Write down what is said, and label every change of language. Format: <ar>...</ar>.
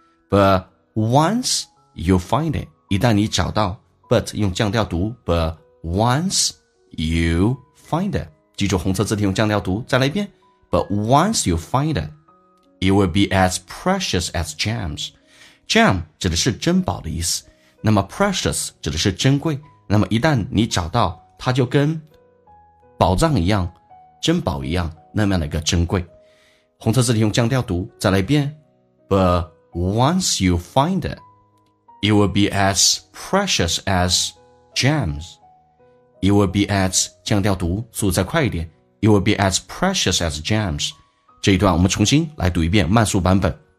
<en>but once you find it,</en> <zh>一旦你找到</zh> <en>but</en> <zh>用降调读</zh> <en>but once you find it,</en> <zh>记住红色字体用降调读再来一遍</zh> <en>but once you find it, it will be as precious as gems.</en> <zh>Gem 指的是珍宝的意思，那么 precious 指的是珍贵，那么一旦你找到它就跟宝藏一样，珍宝一样，那么样的一个珍贵。红色字体用降调读再来一遍</zh> <en>But once you find it It will be as precious as gems It will be as</en> <zh>降调读速度再快一点</zh> <en>It will be as precious as gems</en> <zh>这一段我们重新来读一遍慢速版本</zh>